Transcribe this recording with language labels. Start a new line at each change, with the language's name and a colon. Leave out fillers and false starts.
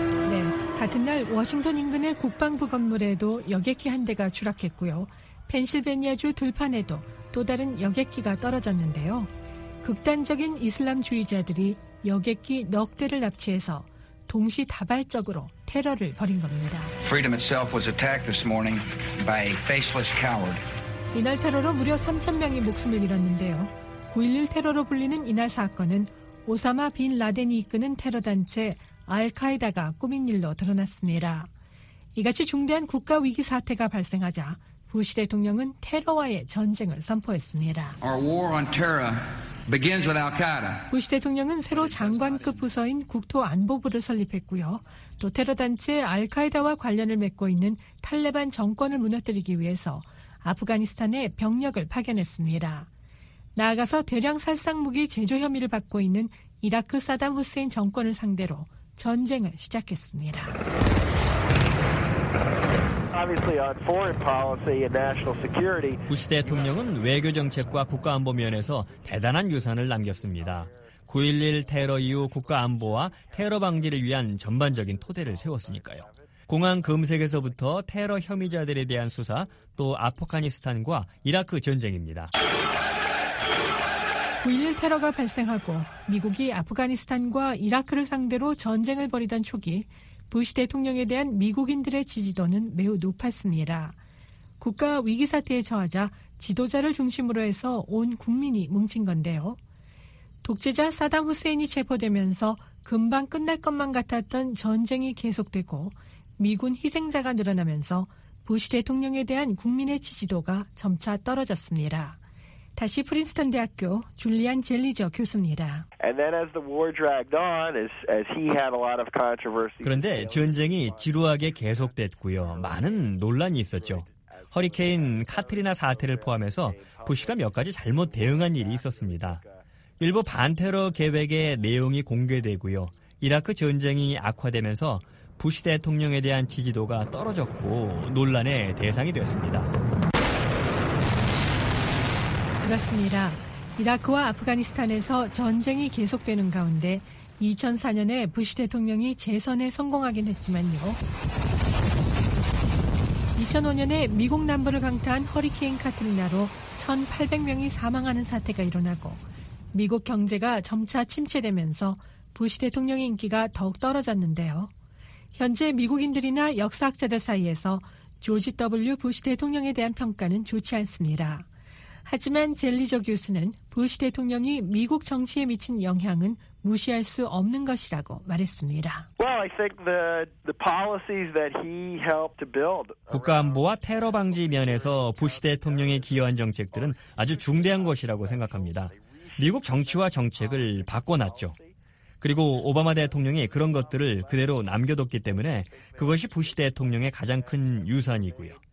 Korean: 네, 같은 날 워싱턴 인근의 국방부 건물에도 여객기 한 대가 추락했고요. 펜실베니아주 들판에도 또 다른 여객기가 떨어졌는데요. 극단적인 이슬람주의자들이 여객기 넉 대를 납치해서 동시 다발적으로 테러를 벌인 겁니다.
English: Freedom itself was attacked this morning by a faceless coward.
Korean: 이날 테러로 무려 3,000명이 목숨을 잃었는데요. 9.11 테러로 불리는 이날 사건은 오사마 빈 라덴이 이끄는 테러단체 알카에다가 꾸민 일로 드러났습니다. 이같이 중대한 국가 위기 사태가 발생하자 부시 대통령은 테러와의 전쟁을 선포했습니다.
English: Our war on terror begins with Al-Qaeda.
Korean: 부시 대통령은 새로 장관급 부서인 국토안보부를 설립했고요. 또 테러단체 알카에다와 관련을 맺고 있는 탈레반 정권을 무너뜨리기 위해서 아프가니스탄에 병력을 파견했습니다. 나아가서 대량 살상무기 제조 혐의를 받고 있는 이라크 사담 후세인 정권을 상대로 전쟁을 시작했습니다.
English: Obviously, on foreign policy and national security.
Korean: 부시 대통령은 외교 정책과 국가 안보 면에서 대단한 유산을 남겼습니다. 9.11 테러 이후 국가 안보와 테러 방지를 위한 전반적인 토대를 세웠으니까요. 공항 검색에서부터 테러 혐의자들에 대한 수사, 또 아프가니스탄과 이라크 전쟁입니다. 9.11 테러가 발생하고 미국이 아프가니스탄과 이라크를 상대로 전쟁을 벌이던 초기 부시 대통령에 대한 미국인들의 지지도는 매우 높았습니다. 국가 위기 사태에 처하자 지도자를 중심으로 해서 온 국민이 뭉친 건데요. 독재자 사담 후세인이 체포되면서 금방 끝날 것만 같았던 전쟁이 계속되고 미군 희생자가 늘어나면서 부시 대통령에 대한 국민의 지지도가 점차 떨어졌습니다. 다시 프린스턴 대학교 줄리안 젤리저 교수입니다.
English: And then as the war dragged on, as he had a lot of controversy.
Korean: 그런데 전쟁이 지루하게 계속됐고요. 많은 논란이 있었죠. 허리케인 카트리나 사태를 포함해서 부시가 몇 가지 잘못 대응한 일이 있었습니다. 일부 반테러 계획의 내용이 공개되고요. 이라크 전쟁이 악화되면서 부시 대통령에 대한 지지도가 떨어졌고 논란의 대상이 되었습니다. 그렇습니다. 이라크와 아프가니스탄에서 전쟁이 계속되는 가운데 2004년에 부시 대통령이 재선에 성공하긴 했지만요. 2005년에 미국 남부를 강타한 허리케인 카트리나로 1,800명이 사망하는 사태가 일어나고 미국 경제가 점차 침체되면서 부시 대통령의 인기가 더욱 떨어졌는데요. 현재 미국인들이나 역사학자들 사이에서 조지 W. 부시 대통령에 대한 평가는 좋지 않습니다. 하지만 젤리저 교수는 부시 대통령이 미국 정치에 미친 영향은 무시할 수 없는 것이라고 말했습니다.
English: Well, I think the policies that he helped to build.
Korean: 국가안보와 테러 방지 면에서 부시 대통령이 기여한 정책들은 아주 중대한 것이라고 생각합니다. 미국 정치와 정책을 바꿔놨죠. 그리고 오바마 대통령이 그런 것들을 그대로 남겨뒀기 때문에 그것이 부시 대통령의 가장 큰 유산이고요.